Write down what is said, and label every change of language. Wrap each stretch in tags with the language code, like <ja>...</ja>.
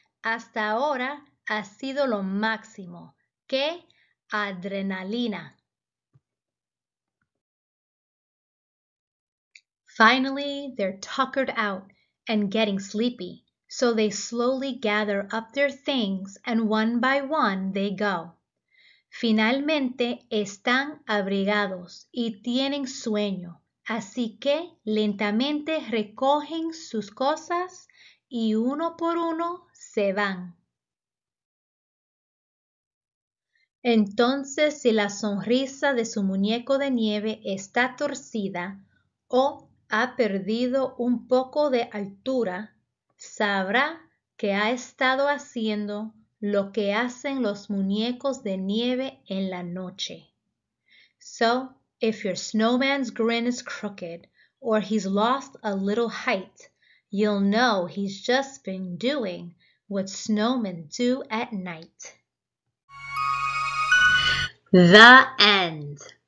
<es>Hasta ahora ha sido lo máximo. ¡Qué adrenalina!</es> <en>Finally, they're tuckered out and getting sleepy, so they slowly gather up their things and one by one they go.</en> <es>Finalmente están abrigados y tienen sueño, así que lentamente recogen sus cosas y uno por uno se van. Entonces, si la sonrisa de su muñeco de nieve está torcida o ha perdido un poco de altura, sabrá que ha estado haciendo lo que hacen los muñecos de nieve en la noche.</es> <en>So, if your snowman's grin is crooked or he's lost a little height, you'll know he's just been doing what snowmen do at night. The end.</en>